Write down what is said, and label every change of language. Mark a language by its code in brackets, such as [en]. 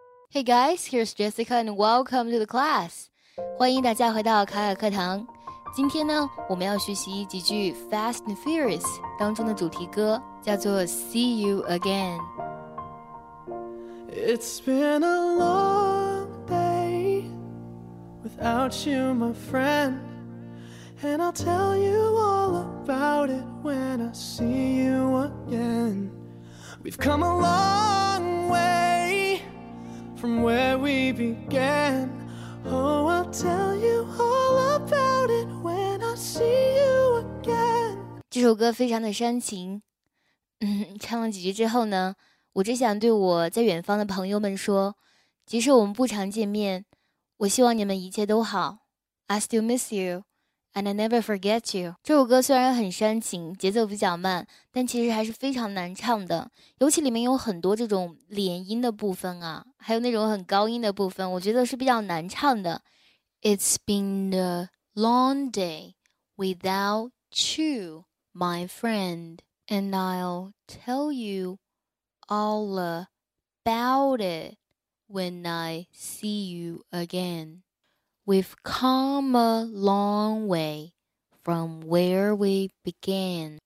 [en] Hey guys, here's Jessica and welcome to the class. [zh] 欢迎大家回到卡卡课堂。今天呢，我们要学习几句 Fast and Furious 当中的主题歌，叫做 See You Again. [en] It's been a long day without you, my friend. And I'll tell you all about it when I see you again. We've come a long way. From where we began, oh, I'll tell you all about it when I see you again. [zh] 这首歌非常的煽情，唱了几句之后呢，我只想对我在远方的朋友们说，即使我们不常见面，我希望你们一切都好。 [en] I still miss you, and I never forget you. [zh] 这首歌虽然很煽情，节奏比较慢，但其实还是非常难唱的，尤其里面有很多这种连音的部分啊。还有那种很高音的部分，我觉得是比较难唱的。 [en] It's been a long day without you, my friend, and I'll tell you all about it when I see you again. We've come a long way from where we began.